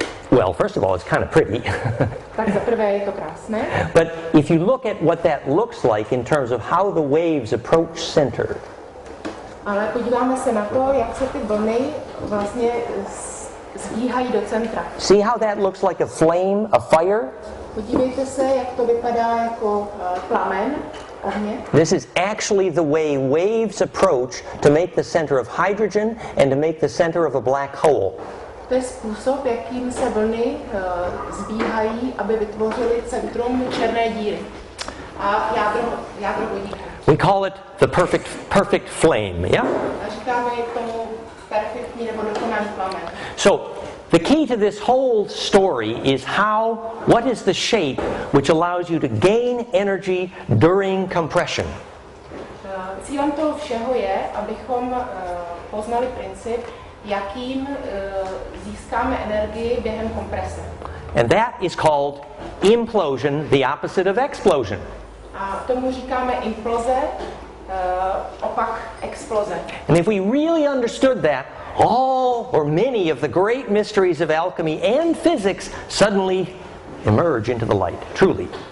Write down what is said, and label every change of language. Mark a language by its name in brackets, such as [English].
[English] well, first of all, it's kind of pretty. [Czech] Tak za prvé je to krásné. [English] But if you look at what that looks like in terms of how the waves approach center. [Czech] Ale podíváme se na to, jak se ty vlny vlastně zvíhají do centra. [English] See how that looks like a flame, a fire? [Czech] Podívejte se, jak to vypadá jako plamen. [English] This is actually the way waves approach to make the center of hydrogen and to make the center of a black hole. [Czech] To je způsob, jakým se vlny zbíhají, aby vytvořily centrum černé díry a jádro vodíka. [English] We call it the perfect flame, yeah? [Czech] A říkáme tomu perfektní nebo dokonalý plamen. [English] So, the key to this whole story is what is the shape which allows you to gain energy during compression. [Czech] Cílem toho všeho je, abychom poznali princip, jakým získáme energii během komprese. [English] And that is called implosion, the opposite of explosion. [Czech] A tomu říkáme imploze, opak exploze. [English] And if we really understood that, all or many of the great mysteries of alchemy and physics suddenly emerge into the light, truly.